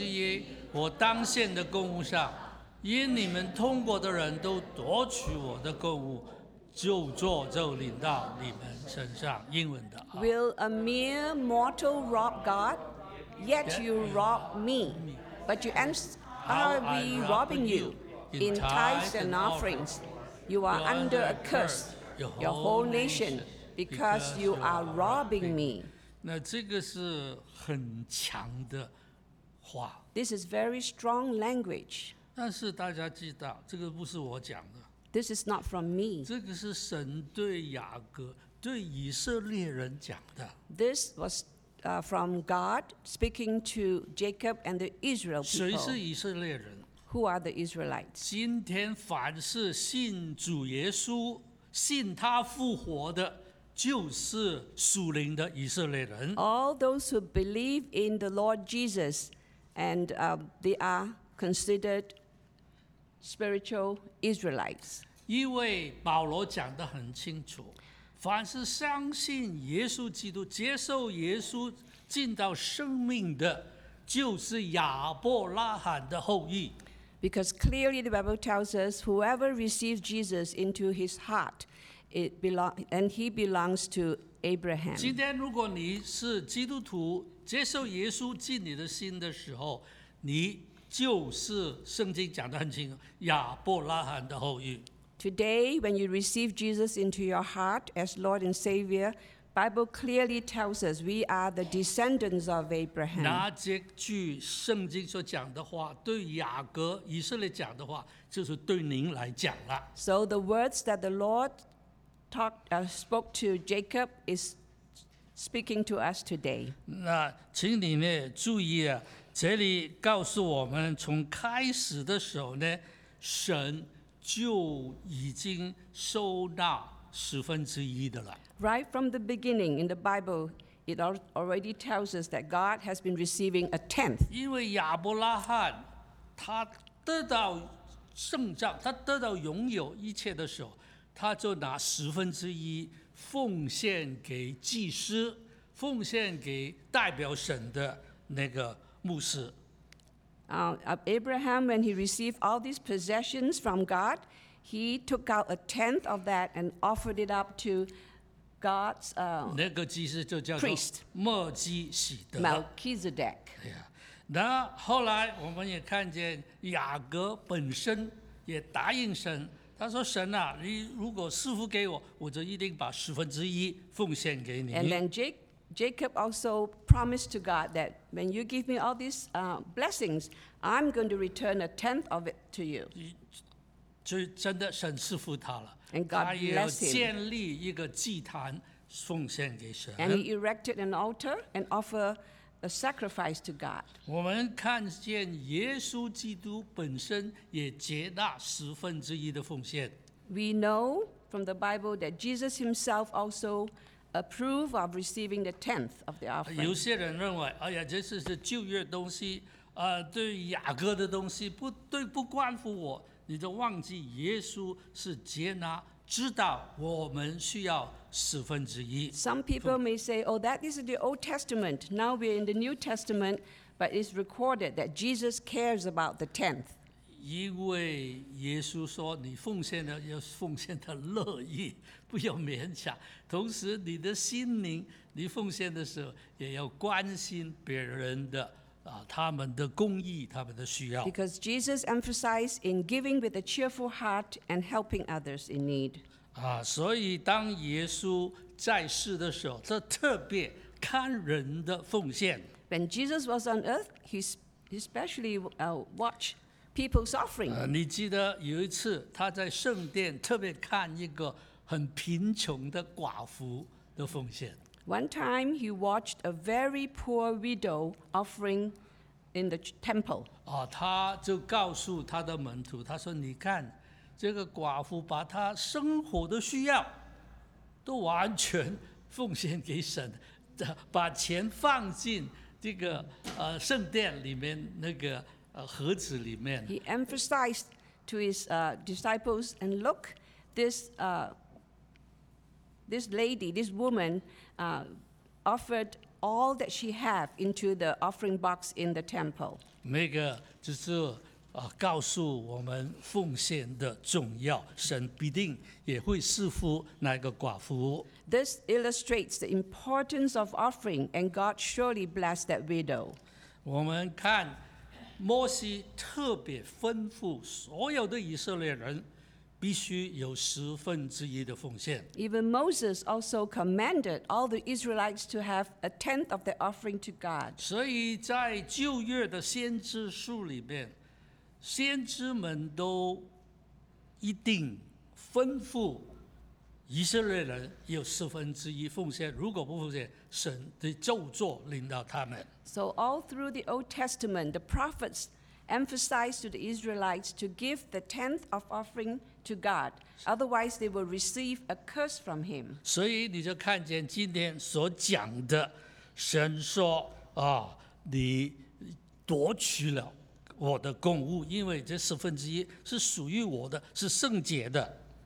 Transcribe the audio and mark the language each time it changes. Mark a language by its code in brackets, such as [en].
[zh] 先念中文哈，请人岂可夺取神之物呢？你们竟夺取我的供物，你们却说我们在何事上夺取你的供物呢？就是你们在当纳的十分之一，我当献的供物上。因你们通过的人都夺取我的供物，就领到你们身上。英文的。 [en] Will a mere mortal rob God? Yet you rob me. But you answer, Are we robbing you in tithes and offerings? You are under a curse, your whole nation, because you are robbing me. [zh] 那这个是很强的话。 [en] This is very strong language. [zh] 但是大家知道，这个不是我讲的。 [en] This is not from me. [zh] 这个是神对雅各对以色列人讲的。 [en] This was from God speaking to Jacob and the Israel people. [zh] 谁是以色列人？ [en] Who are the Israelites? [zh] 今天凡是信主耶稣、信他复活的，就是属灵的以色列人。 [en] All those who believe in the Lord Jesus, and they are considered spiritual Israelites. [zh] 因为保罗讲得很清楚。凡是相信耶稣基督、接受耶稣进到生命的，就是亚伯拉罕的后裔。 [en] Because clearly the Bible tells us, whoever receives Jesus into his heart, he belongs to Abraham. [zh] 今天如果你是基督徒，接受耶稣进你的心的时候，你就是圣经讲得很清楚，亚伯拉罕的后裔。 [en] Today, when you receive Jesus into your heart as Lord and Savior, Bible clearly tells us we are the descendants of Abraham. [zh] 那这句圣经所讲的话，对雅各以色列讲的话，就是对您来讲了。 [en] So the words that the Lord spoke to Jacob is speaking to us today. [zh] 那请你呢注意啊，这里告诉我们，从开始的时候呢，神就已经收纳十分之一的了。 [en] Right from the beginning in the Bible, it already tells us that God has been receiving a tenth. [zh] 因为亚伯拉罕他得到圣账，他得到拥有一切的时候，他就拿十分之一奉献给祭司，奉献给代表神的那个牧师。 [en] Abraham, when he received all these possessions from God, he took out a tenth of that and offered it up to God's priest. [zh] 那个祭司就叫做墨基洗德。 [en] Melchizedek. [zh] 那后来我们也看见雅各本身也答应神，他说：“神啊，你如果赐福给我，我就一定把十分之一奉献给你。” [en] And then Jacob also promised to God that when you give me all these blessings, I'm going to return a tenth of it to you. [zh] 就真的神赐福他了。 [en] And God blessed him. [zh] 他也要建立一个祭坛奉献给神。 [en] And he erected an altar and offered a sacrifice to God. [zh] 我们看见耶稣基督本身也接纳十分之一的奉献。 [en] We know from the Bible that Jesus himself also approve of receiving the tenth of the offering. [zh] 有些人认为，哎呀，这是旧约东西，对雅各的东西，不关乎我。你就忘记耶稣是接纳，知道我们需要十分之一。 [en] Some people may say, oh, that is the Old Testament. Now we're in the New Testament, but it's recorded that Jesus cares about the tenth. [zh] 因为耶稣说，你奉献的要奉献的乐意，不要勉强。同时，你的心灵，你奉献的时候，也要关心别人的他们的公义，他们的需要。 [en] Because Jesus emphasized in giving with a cheerful heart and helping others in need. [zh] 所以当耶稣在世的时候，他特别看人的奉献。 [en] When Jesus was on earth, he especially watched people's offering. [zh] 你记得有一次他在圣殿特别看一个很贫穷的寡妇的奉献。 [en] One time he watched a very poor widow offering in the temple. [zh] 他就告诉他的门徒，他说：“你看，这个寡妇把她生活的需要都完全奉献给神，把钱放进这个圣殿里面那个盒子里面。” [en] He emphasized to his disciples, "And look, this this lady, this woman, offered all that she have into the offering box in the temple." [zh] 那个就是告诉我们奉献的重要，神必定也会赐福那个寡妇。 [en] This illustrates the importance of offering, and God surely blessed that widow. [zh] 我们看摩西特别吩咐所有的以色列人，必须有十分之一的奉献。 [en] Even Moses also commanded all the Israelites to have a tenth of their offering to God. [zh] 所以在旧约的先知书里面，先知们都一定吩咐以色列人有四分之一奉献，如果不奉献，神的咒诅临到他们。 [en] So all through the Old Testament, the prophets emphasized to the Israelites to give the tenth of offering to God, otherwise they will receive a curse from Him. [zh] 所以你就看见今天所讲的，神说啊，你夺取了我的供物，因为这四分之一是属于我的，是圣洁的。